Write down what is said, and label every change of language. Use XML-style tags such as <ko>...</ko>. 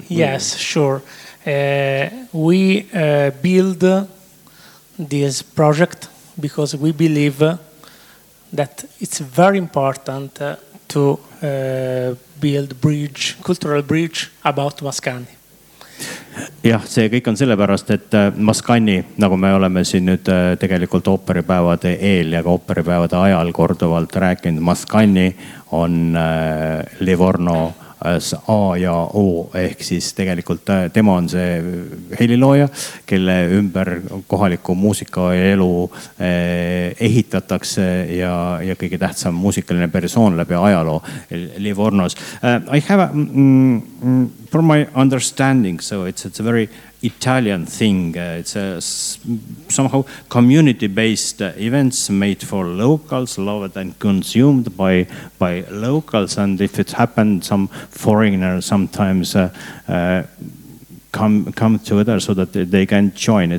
<en>yes, sure. We build this project because we believe that it's very important to build bridge, cultural bridge about Mascagni.</en> <et>Jah, see kõik on sellepärast, et Mascagni, nagu me oleme siin nüüd tegelikult ooperipäevade eel ja ka ooperipäevade ajal korduvalt rääkinud, Mascagni on Livorno A ja O, ehk siis tegelikult tema on see helilooja, kelle ümber kohaliku muusika elu ehitatakse ja kõige tähtsam muusikaline persoon läbi ajaloo Livornos.</et> <en>I have a, from my understanding, so it's a very Italian thing. It's a somehow community-based events made for locals, loved and consumed by locals. And if it happened, some foreigners sometimes come together so that they can join.</en>